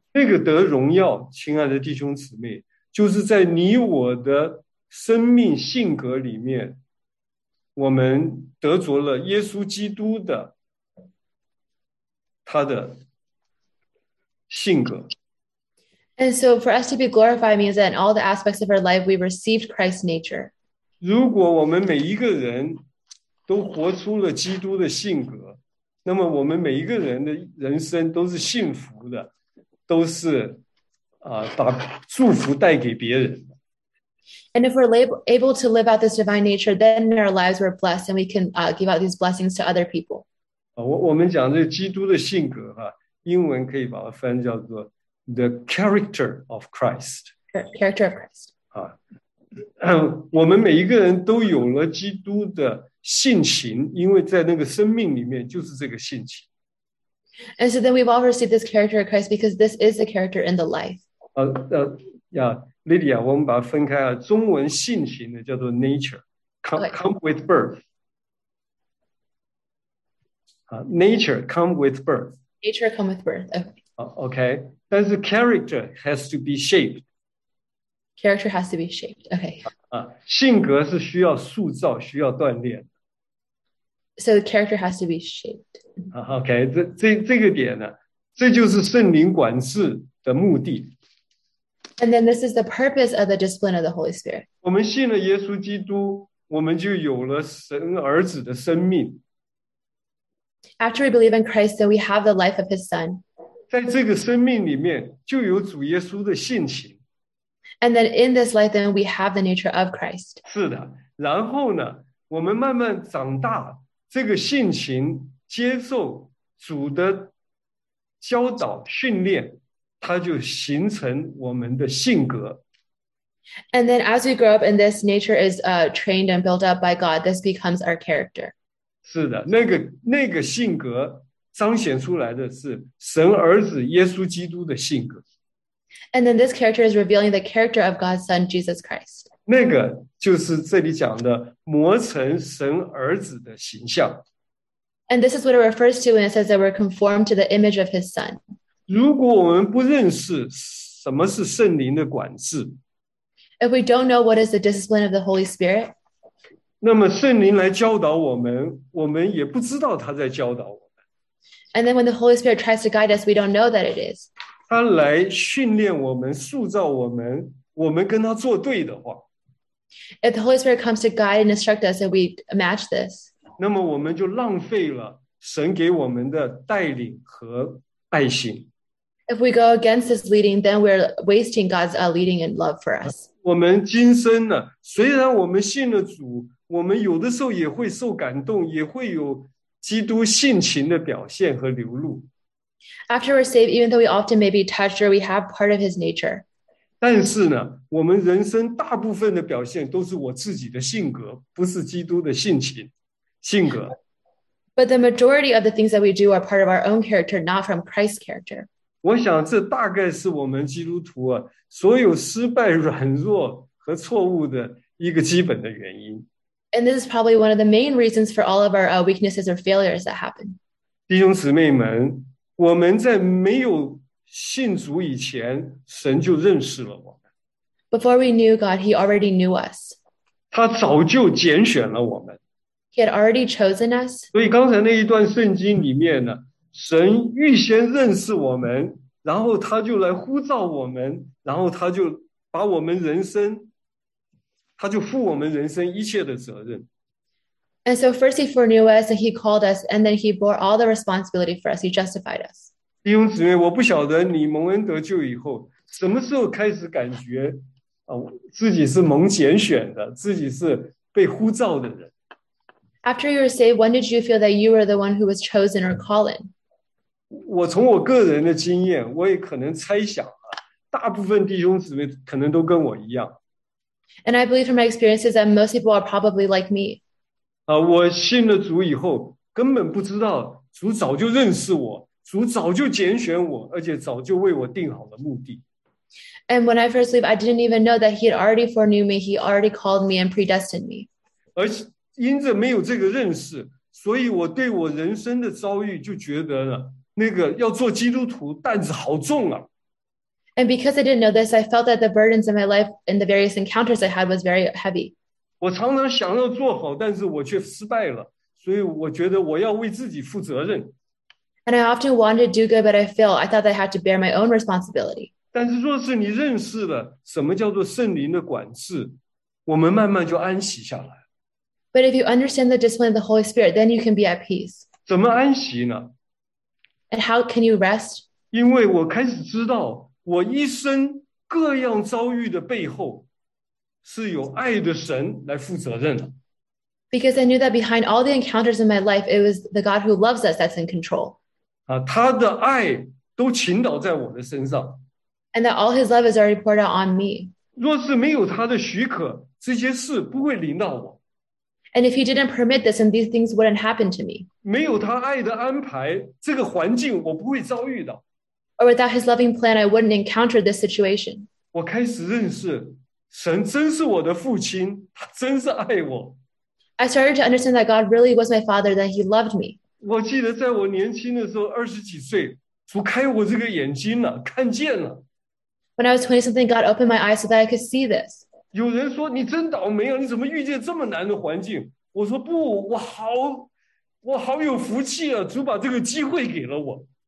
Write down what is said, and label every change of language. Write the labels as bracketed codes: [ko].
[zh] 这个得荣耀，亲爱的弟兄姊妹，就是在你我的生命性格里面，我们得着了耶稣基督的他的性格。 [en] And so for us to be glorified means that in all the aspects of our life, we received Christ's nature. [zh] 如果我们每一个人都活出了基督的性格，那么我们每一个人的人生都是幸福的，都是把祝福带给别人。 [en] And if we're able to live out this divine nature, then in our lives we're blessed and we can give out these blessings to other people. [zh] 我们讲这个基督的性格哈，英文可以把它翻叫做 [en] the character of Christ. Character of Christ. [zh] 我们每一个人都有了基督的性情，因为在那个生命里面就是这个性情。 [en] And so then we've all received this character of Christ because this is the character in the life. [zh] Lydia, 我们把它分开啊，中文性情的叫做 [en] nature, come with birth. Nature, come with birth. Nature, come with birth. Okay. [zh] 但是 [en] character has to be shaped. Character has to be shaped. Okay. [zh] 性格是需要塑造，需要锻炼。 [en] So the character has to be shaped. [zh] Okay, 这个点呢，这就是圣灵管制的目的。 [en] And then this is the purpose of the discipline of the Holy Spirit. [zh] 我们信了耶稣基督，我们就有了神儿子的生命。 [en] After we believe in Christ, then we have the life of his son. [zh] 在这个生命里面，就有主耶稣的性情。 [en] And then in this life, then we have the nature of Christ. [zh] 是的，然后呢，我们慢慢长大，这个性情接受主的教导训练，它就形成我们的性格。 [en] And then as we grow up and this nature is trained and built up by God, this becomes our character. [zh] 是的，那个性格彰显出来的是神儿子耶稣基督的性格。 [en] And then this character is revealing the character of God's son, Jesus Christ. [zh] 那个就是这里讲的磨成神儿子的形象。 [en] And this is what it refers to when it says that we're conformed to the image of his son. [zh] 如果我们不认识什么是圣灵的管制， [en] If we don't know what is the discipline of the Holy Spirit, [zh] 那么圣灵来教导我们，我们也不知道他在教导我们。 [en] And then when the Holy Spirit tries to guide us, we don't know that it is. [zh] 他来训练我们，塑造我们，我们跟他做对的话。 [en] If the Holy Spirit comes to guide and instruct us and we match this, [zh] 那么我们就浪费了神给我们的带领和爱心。 [en] If we go against this leading, then we're wasting God's leading and love for us. [zh] 我们今生呢，虽然我们信了主，我们有的时候也会受感动，也会有基督性情的表现和流露。 [en] After we're saved, even though we often may be touched or we have part of his nature, [zh] 但是呢，我们人生大部分的表现都是我自己的性格，不是基督的性情。性格。 [en] But the majority of the things that we do are part of our own character, not from Christ's character. [zh] 我想这大概是我们基督徒啊，所有失败、软弱和错误的一个基本的原因。 [en] And this is probably one of the main reasons for all of our weaknesses or failures that happen. [zh] 弟兄姊妹们，我们在没有信主以前，神就认识了我们。 [en] Before we knew God, he already knew us. [zh] 他早就拣选了我们。 [en] He had already chosen us. [zh] 所以刚才那一段圣经里面呢，神预先认识我们，然后他就来呼召我们，然后他就把我们人生，他就负我们人生一切的责任。 [en] And so first he foreknew us, and he called us, and then he bore all the responsibility for us. He justified us. [zh] 弟兄姊妹，我不晓得你蒙恩得救以后，什么时候开始感觉啊，自己是蒙拣选的，自己是被呼召的人。 [en] After you were saved, when did you feel that you were the one who was chosen or called? [zh] 我从我个人的经验，我也可能猜想啊，大部分弟兄姊妹可能都跟我一样。 [en] And I believe from my experiences that most people are probably like me. [zh] 啊，我信了主以后，根本不知道主早就认识我，主早就拣选我，而且早就为我定好了目的。 [en] And when I first believed, I didn't even know that He had already foreknew me. He already called me and predestined me. [zh] 而且因着没有这个认识，所以我对我人生的遭遇就觉得了，那个要做基督徒担子好重啊。 [en] And because I didn't know this, I felt that the burdens in my life and the various encounters I had was very heavy. [zh] 我常常想要做好，但是我却失败了，所以我觉得我要为自己负责任。 [en] And I often wanted to do good, but I failed. I thought that I had to bear my own responsibility. [zh] 但是若是你认识了什么叫做圣灵的管制，我们慢慢就安息下来。 [en] But if you understand the discipline of the Holy Spirit, then you can be at peace. [zh] 怎么安息呢？ [en] And how can you rest? [zh] 因为我开始知道，我一生各样遭遇的背后，是有爱的神来负责任。 [en] Because I knew that behind all the encounters in my life, it was the God who loves us that's in control. [zh] 啊，他的爱都倾倒在我的身上。 [en] And that all his love is already poured out on me. [zh] 若是没有他的许可，这些事不会临到我。 [en] And if he didn't permit this, then these things wouldn't happen to me. [zh] 没有他爱的安排，这个环境我不会遭遇到。 [en] Or without his loving plan, I wouldn't encounter this situation. [zh] 我开始认识，神真是我的父亲，他真是爱我。 [en] I started to understand that God really was my father, that he loved me. [zh] 我记得在我年轻的时候，二十几岁，主开我这个眼睛了，看见了。 [en] When I was 20-something, God opened my eyes so that I could see this. [zh] 有人说你真倒霉啊，你怎么遇见这么难的环境？我说不，我好有福气啊，主把这个机会给了我。